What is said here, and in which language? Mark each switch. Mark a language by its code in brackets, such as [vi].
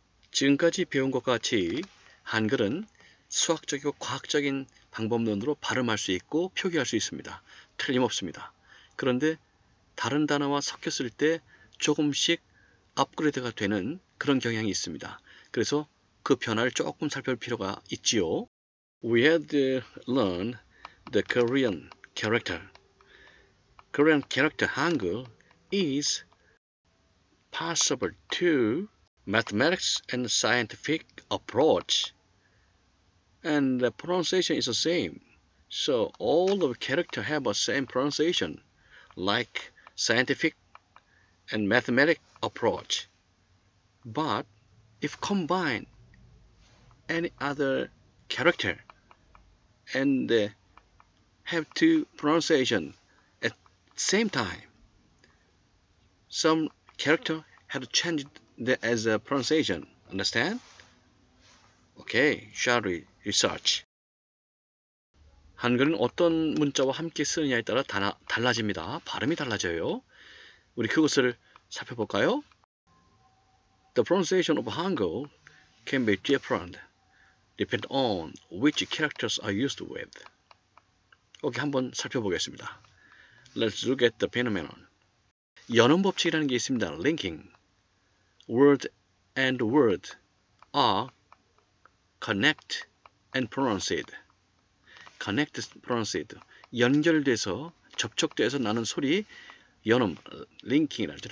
[ko] 지금까지 배운 것과 같이 한글은 수학적이고 과학적인 방법론으로 발음할 수 있고 표기할 수 있습니다. 틀림없습니다. 그런데 다른 단어와 섞였을 때 조금씩 업그레이드가 되는 그런 경향이 있습니다. 그래서 그 변화를 조금 살펴볼 필요가 있지요. [en] We had to learn the Korean character. Korean character, 한글, is possible to mathematics and scientific approach. And the pronunciation is the same. So all the character have the same pronunciation, like scientific and mathematic approach. But if combine any other character and have two pronunciation at same time, some character had changed the, as a pronunciation. Understand? Okay, shall we research? [ko] 한글은 어떤 문자와 함께 쓰느냐에 따라 달라집니다. 발음이 달라져요. 우리 그것을 살펴볼까요? [en] The pronunciation of Hangul can be different depend on which characters are used with. [ko] 오케이, 한번 살펴보겠습니다. [en] Let's look at the phenomenon. [ko] 연음 법칙이라는 게 있습니다. [en] Linking. Word and word are connect and pronounced. Connect and pronounced. [ko] 연결돼서, 접촉돼서 나는 소리, 연음, linking이라죠.